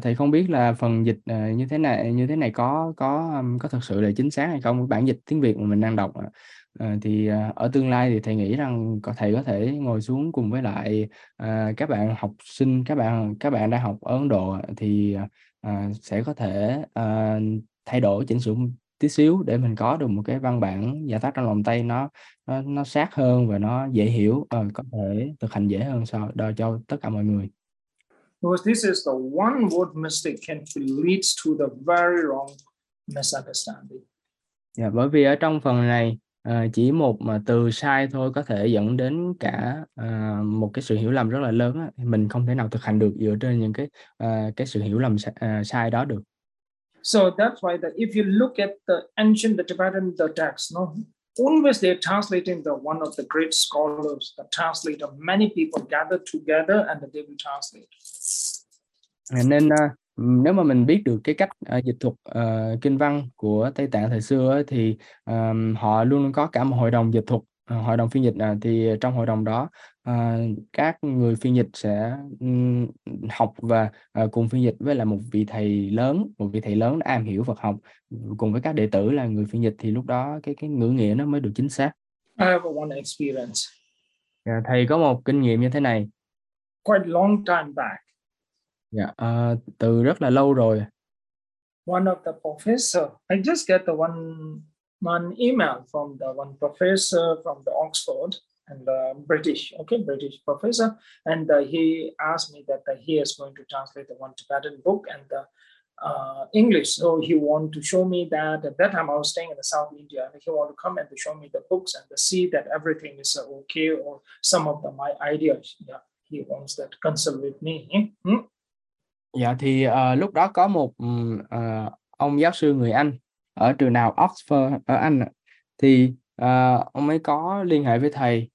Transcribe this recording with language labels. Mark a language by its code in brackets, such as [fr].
[vi] thầy không biết là phần dịch như thế này có thật sự là chính xác hay không, bản dịch tiếng Việt mà mình đang đọc thì ở tương lai thì thầy nghĩ rằng thầy có thể ngồi xuống cùng với lại các bạn học sinh, các bạn đang học ở Ấn Độ thì sẽ có thể thay đổi chỉnh sửa tí xíu để mình có được một cái văn bản giả tác trong lòng tay nó sát hơn và nó dễ hiểu, có thể thực hành dễ hơn so đo cho tất cả mọi người. [en] Because this is the one word mistake can leads to the very wrong misunderstanding. [vi] Bởi vì ở trong phần này chỉ một mà từ sai thôi có thể dẫn đến cả một cái sự hiểu lầm rất là lớn á, mình không thể nào thực hành được dựa trên những cái sự hiểu lầm sai đó được. [en] So that's why that if you look at the ancient the Tibetan the text, no, always they're translating the one of the great scholars, the translator, many people gather together and they will translate. [vi] Nên nếu mà mình biết được cái cách dịch thuật kinh văn của Tây Tạng thời xưa ấy, thì họ luôn có cả một hội đồng dịch thuật, hội đồng phiên dịch, thì trong hội đồng đó các người phiên dịch sẽ học và cùng phiên dịch với là một vị thầy lớn đã am hiểu Phật học cùng với các đệ tử là người phiên dịch, thì lúc đó cái ngữ nghĩa nó mới được chính xác. [en] I have one experience. [vi] Thầy có một kinh nghiệm như thế này. [en] Quite long time back. [vi] Từ rất là lâu rồi. [en] One of the professor, I just get the one email from the one professor from the Oxford and British, okay, British professor, and he asked me that he is going to translate the one Tibetan book and the English. So he want to show me that at that time I was staying in the South India and he want to come and show me the books and see that everything is okay or some of the my ideas. Yeah, he wants that consult with me. [vi] Dạ thì lúc đó có một ông giáo sư người Anh ở trường nào Oxford ở Anh, thì ông ấy có liên hệ với thầy.